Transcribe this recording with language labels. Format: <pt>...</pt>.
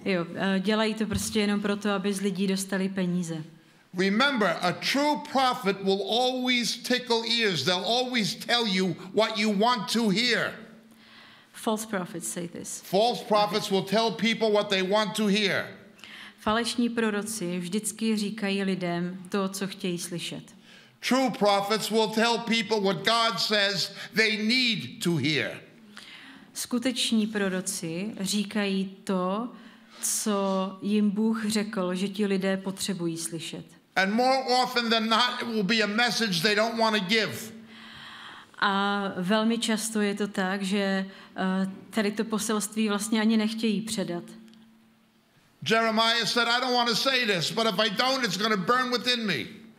<cs>Jo, dělají to prostě jenom proto, aby z lidí dostali peníze.</cs> <en>Remember, a true prophet will always tickle ears. They'll always tell you what you want to hear. False prophets say this. False prophets will tell people what they want to hear.</en> <cs>Falešní proroci vždycky říkají lidem to, co chtějí slyšet.</cs> <en>True prophets will tell people what God says they need to hear.</en> <cs>Skuteční proroci říkají to, co jim Bůh řekl, že ti lidé potřebují slyšet.</cs> <en>And more often than not, it will be a message they don't want to give.</en> <cs>A velmi často je to tak, že tady to poselství vlastně ani nechtějí předat.</cs> <en>Jeremiah said, "I don't want to say this, but if I don't, it's going to burn within me."</en>